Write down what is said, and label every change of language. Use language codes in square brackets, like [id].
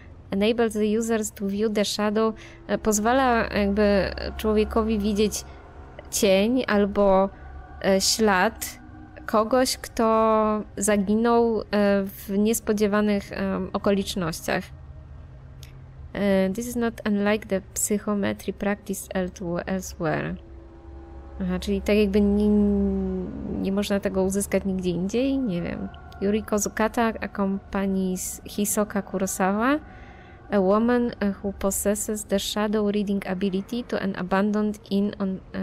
[en] Enables the users to view the shadow. [pl] Pozwala jakby człowiekowi widzieć cień albo ślad kogoś, kto zaginął w niespodziewanych okolicznościach. [en] This is not unlike the psychometry practiced elsewhere. [pl] Aha, czyli tak jakby nie można tego uzyskać nigdzie indziej? Nie wiem. [en] Yuri Kozukata accompanies Hisoka Kurosawa, a woman who possesses the shadow reading ability to an abandoned inn on...